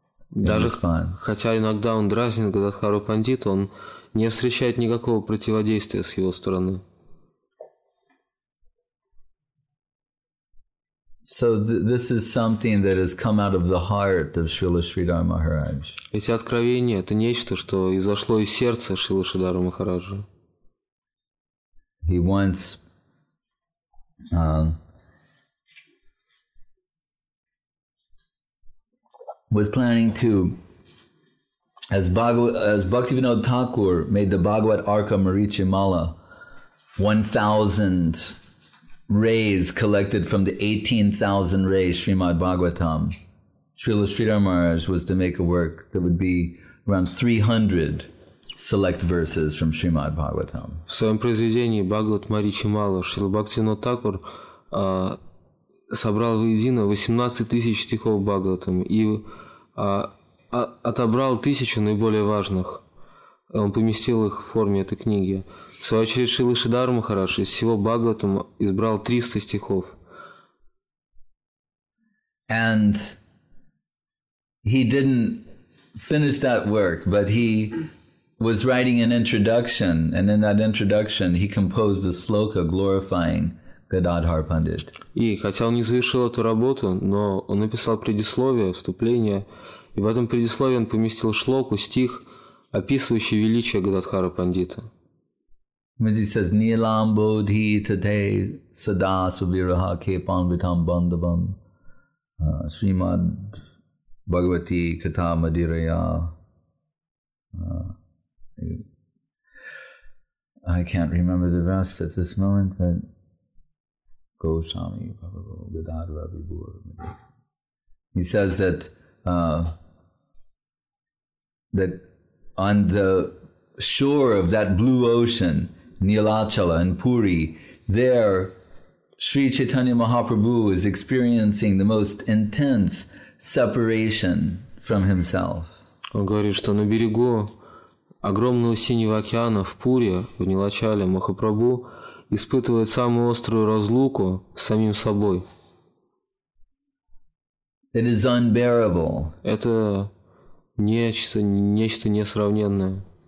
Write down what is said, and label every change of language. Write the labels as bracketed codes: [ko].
[ru] Даже хотя иногда он дразнит Гададхару Пандита, он не встречает никакого противодействия с его стороны. [en] So this is something that has come out of the heart of Srila Sridhar Maharaj. [ru] Эти откровения — это нечто, что изошло из сердца Шрилы Шридхара Махараджа. [en] He once was planning to, as Bhaktivinoda Thakur made the Bhagavad Arka Marichimala, 1,000 rays collected from the 18,000 rays Srimad Bhagavatam, Srila Sridhar Maharaj was to make a work that would be around 300 select verses from Srimad Bhagavatam. [ru] В своем произведении Бхагават Маричимала Шрила Бхактивинода Такур собрал воедино 18,000 стихов Бхагаватам и отобрал 1,000 наиболее важных. Он поместил их в форме этой книги. В свою очередь Шрила Шридхара Махарадж из всего Бхагаватам избрал 300 стихов. [en] And he didn't finish that work, but he was writing an introduction, and in that introduction he composed a sloka glorifying Gadadhar Pandit. [ru] И хотя он не завершил эту работу, но он написал предисловие, вступление, и в этом предисловии он поместил шлоку, стих, описывающий величие Гададхара Пандита. [en] He says, [sa] Neelam bodhi tate sada subiraha kepan vitam bandhavam srimad bhagavati katha madiraya. [en] I can't remember the rest at this moment, but Goswami Prabhu Gadadhara Vibhur. He says that that on the shore of that blue ocean, Neelachala and Puri, there Sri Chaitanya Mahaprabhu is experiencing the most intense separation from himself. [ru] Он говорит, что на берегу огромного синего океана в Пуре, в Нилачале, Махапрабху испытывает самую острую разлуку с самим собой. [en] It is unbearable. [ru] Это нечто несравненное.